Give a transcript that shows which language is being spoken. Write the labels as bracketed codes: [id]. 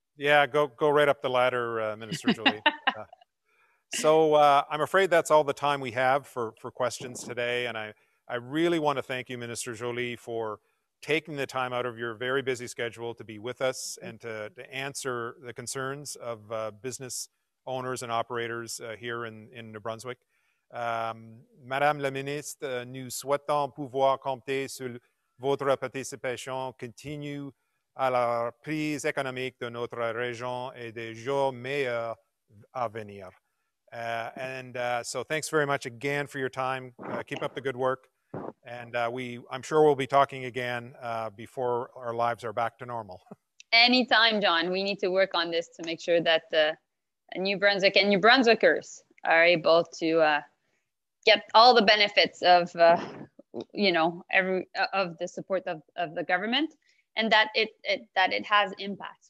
[en] Yeah, go right up the ladder, Minister Joly. I'm afraid that's all the time we have for questions today. And I really want to thank you, Minister Joly, for taking the time out of your very busy schedule to be with us and to answer the concerns of business owners and operators here in New Brunswick. [fr] Madame la Ministre, nous souhaitons pouvoir compter sur votre participation continue à la reprise économique de notre région et des jours meilleurs à venir. [en] So thanks very much again for your time. Keep up the good work. And I'm sure we'll be talking again before our lives are back to normal. Anytime, John. We need to work on this to make sure that New Brunswick and New Brunswickers are able to get all the benefits of, of the support of the government, and that it has impacts.